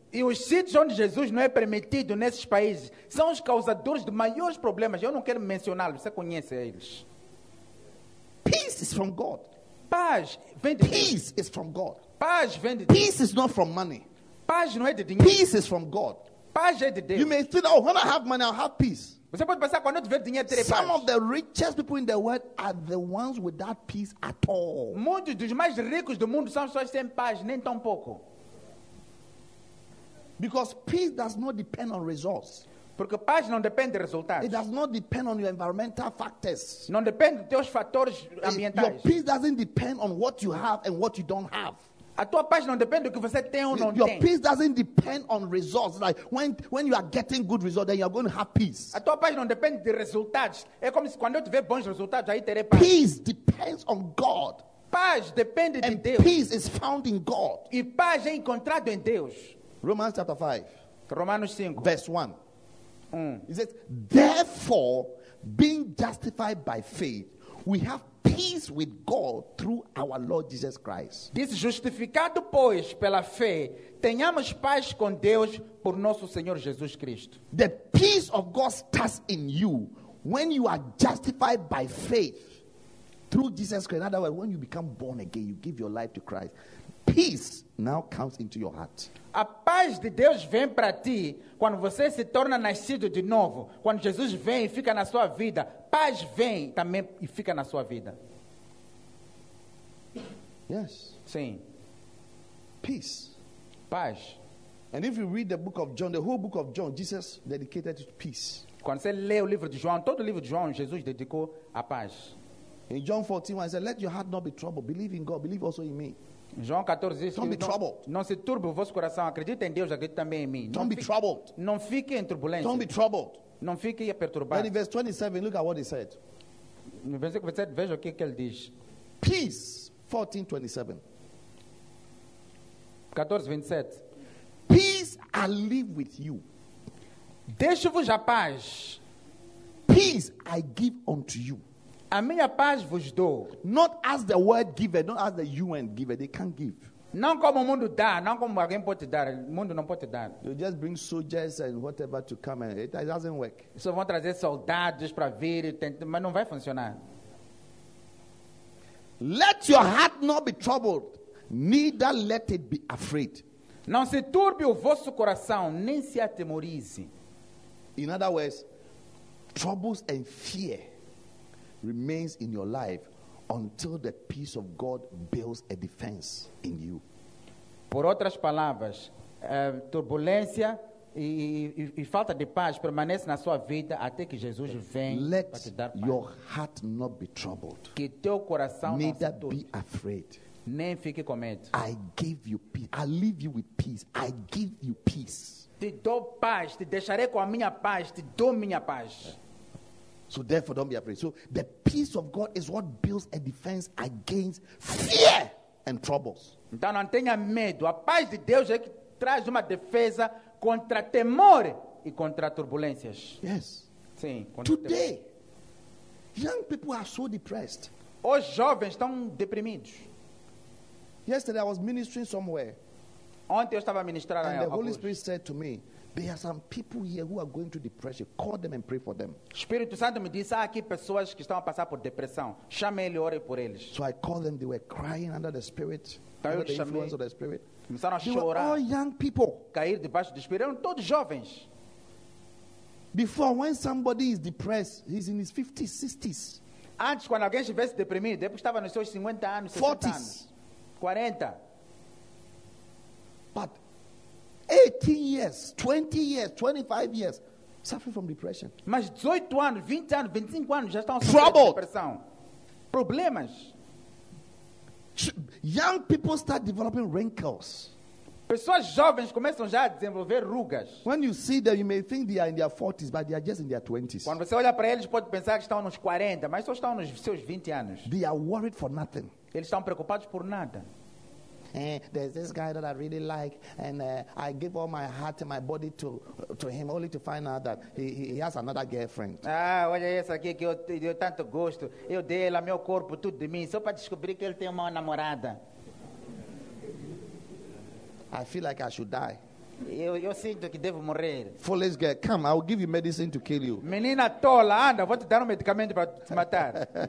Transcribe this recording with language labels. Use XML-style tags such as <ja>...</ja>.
<pt>E os sítios onde Jesus não é permitido nesses países são os causadores de maiores problemas. Eu não quero mencioná-los, você conhece eles.</pt> <en>Peace is from God.</en> <pt>Paz vem de Deus.</pt> <en>Peace is from God.</en> <pt>Paz vem de Deus.</pt> <en>Peace is not from money.</en> <pt>Paz não é de dinheiro.</pt> <en>Peace is from God.</en> <pt>Paz é de Deus.</pt> <en>You may think, oh, when I have money, I'll have peace.</en> <pt>Você pode pensar, quando eu tiver dinheiro, terei paz.</pt> <en>Some of the richest people in the world are the ones without peace at all.</en> <pt>Muitos dos mais ricos do mundo são pessoas sem paz, nem tão pouco.</pt> <en>Because peace does not depend on resources.</en> <pt>Porque paz não depende de resultados.</pt> <en>It does not depend on your environmental factors.</en> <pt>Não depende dos fatores ambientais.</pt> <en>Your peace doesn't depend on what you have and what you don't have.</en> <pt>A tua paz não depende do que você tem ou não</pt> <en>your</en> <pt>tem.</pt> <en>Peace doesn't depend on results. Like when you are getting good results, then you are going to have peace.</en> <pt>A tua paz não depende de resultados. É como se quando eu tiver bons resultados aí terei paz.</pt> <en>Peace depends on God.</en> <pt>Paz depende</pt> <en>and</en> <pt>de Deus.</pt> <en>Peace is found in God.</en> <pt>E paz é encontrado em Deus.</pt> <en>Romans chapter 5.</en> <pt>Romanos 5.</pt> <en>Verse 1. It says, therefore, being justified by faith, we have peace with God through our Lord Jesus Christ.</en> <pt>Diz, justificado, pois, pela fé, tenhamos paz com Deus por nosso Senhor Jesus Cristo.</pt> <en>The peace of God starts in you when you are justified by faith through Jesus Christ. In other words, when you become born again, you give your life to Christ. Peace now comes into your heart.</en> <pt>A paz de Deus vem para ti quando você se torna nascido de novo. Quando Jesus vem e fica na sua vida, paz vem também e fica na sua vida.</pt> <en>Yes.</en> <pt>Sim.</pt> <en>Peace.</en> <pt>Paz.</pt> <en>And if you read the book of John, the whole book of John, Jesus dedicated to peace.</en> <pt>Quando você lê o livro de João, todo o livro de João, Jesus dedicou a paz.</pt> <en>In John 14, he said, "Let your heart not be troubled. Believe in God. Believe also in me."</en> <pt>João 14 diz,</pt> <en>don't be troubled.</en> <pt>Não se turbe o vosso coração. Acredita em Deus, acredita também em mim.</pt> <en>Don't</en> <pt>não</pt> <en>be troubled.</en> <pt>Não fique em turbulência.</pt> <en>Don't be troubled.</en> <pt>Não fique a perturbar.</pt> <en>Then in verse 27, look at what he said.</en> <pt>No versículo 27, veja o que ele diz.</pt> <en>Peace. 14:27. 14:27. Peace I leave with you.</en> <pt>Deixo-vos a paz.</pt> <en>Peace I give unto you.</en> <pt>A minha paz vos dou.</pt> <en>Not as the world giver, not as the UN giver. They can't give.</en> <pt>Não como o mundo dá, não como alguém pode dar. O mundo não pode dar.</pt> <en>You just bring soldiers and whatever to come and it doesn't work.</en> <pt>Só vão trazer soldados para vir, mas não vai funcionar.</pt> <en>Let your heart not be troubled, neither let it be afraid.</en> <pt>Não se turbe o vosso coração, nem se atemorize.</pt> <en>In other words, troubles and fear remains in your life until the peace of God builds a defense in you.</en> <pt>Por outras palavras, turbulência e falta de paz permanece na sua vida até que Jesus venha para te dar paz.</pt> <en>Let your heart not be troubled.</en> <pt>Que teu coração não se turbe.</pt> <en>Neither be afraid.</en> <pt>Nem fique com medo.</pt> <en>I give you peace. I leave you with peace. I give you peace.</en> <pt>Te dou paz. Te deixarei com a minha paz. Te dou minha paz.</pt> <en>So therefore, don't be afraid. So the peace of God is what builds a defense against fear and troubles.</en> <pt>Então não tenha medo. A paz de Deus é que traz uma defesa contra temor e contra turbulências.</pt> <en>Yes.</en> <pt>Sim.</pt> <en>Today, young people are so depressed.</en> <pt>Os jovens estão deprimidos.</pt> <en>Yesterday I was ministering somewhere.</en> <pt>Ontem eu estava ministrando.</pt> <en>And the Holy Spirit said to me, "There are some people here who are going through depression. Call them and pray for them."</en> <pt>Espírito Santo me disse, há aqui pessoas que estão a passar por depressão. Chame ele, ore por eles.</pt> <en>So I called them. They were crying under the Spirit, under the influence of the Spirit.</en> <pt>Começaram a chorar.</pt> <en>They were all young people.</en> <pt>Cair debaixo do Espírito. Eram todos jovens.</pt> <en>Before, when somebody is depressed, he's in his 50s, 60s.</en> <pt>Antes, quando alguém estivesse deprimido, depois estava nos seus 50 anos, 60 anos. 40.</pt> <en>But 18 years, 20 years, 25 years suffering from depression.</en> <pt>Mas 18 anos, 20 anos, 25 anos já estão sofrendo de depressão. Problemas.</pt> <en>Young people start developing wrinkles.</en> <pt>Pessoas jovens começam já a desenvolver rugas.</pt> <en>When you see them, you may think they are in their 40s, but they are just in their 20s.</en> <pt>Quando você olha para eles, pode pensar que estão nos 40, mas só estão nos seus 20 anos.</pt> <en>They are worried for nothing.</en> <pt>Eles estão preocupados por nada.</pt> <en>There's this guy that I really like, and I give all my heart and my body to him, only to find out that he has another girlfriend.</en> <pt>Ah, olha essa aqui que eu tanto gosto. Eu dei ela meu corpo, tudo de mim, só para descobrir que ele tem uma namorada.</pt> <en>I feel like I should die.</en> <pt>Eu sinto que devo morrer.</pt> <en>Foolish girl, come, I will give you medicine to kill you.</en> <pt>Menina tola, anda, vou te dar um medicamento para te matar.</pt>